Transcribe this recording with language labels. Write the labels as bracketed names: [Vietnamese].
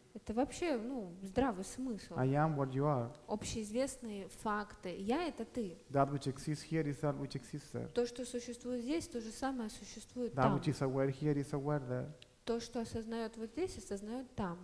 [Russian] Это вообще, ну, здравый смысл. [English] I am what you are. [Russian] Общеизвестные факты. Я — это ты. [English] That which exists here is that which exists there. [Russian] То, что существует здесь, то же самое существует [English] that [Russian] там. [English] Which is aware here is aware there. [Russian] То, что осознает вот здесь, осознает там.